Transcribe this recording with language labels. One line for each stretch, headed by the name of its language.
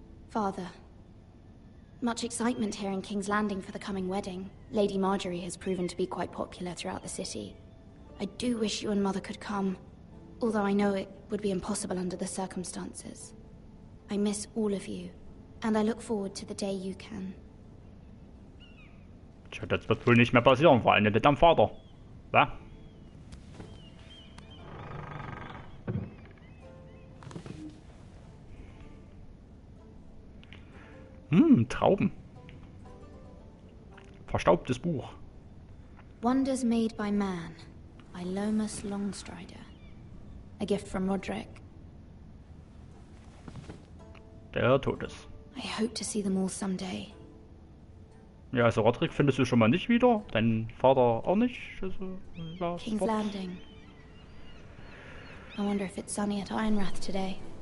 English: Father, much excitement here in King's Landing for the coming wedding. Lady Marjorie has proven to be quite popular throughout the city. I do wish you and Mother could come, although I know it would be impossible under the circumstances. I miss all of you, and I look forward to the day you can.
German: Tja, das wird wohl nicht mehr passieren, vor allem mit deinem Vater. Wa? Trauben. Verstaubtes Buch.
English: Wonders made by man, by Lomas Longstrider. A gift from Roderick.
German: Der Todes.
English: I hope to see them all someday.
German: Ja, also Roderick findest du schon mal nicht wieder, dein Vater auch nicht. Also, ja, King's fort. Landing.
English: I wonder if it's sunny at Ironrath today.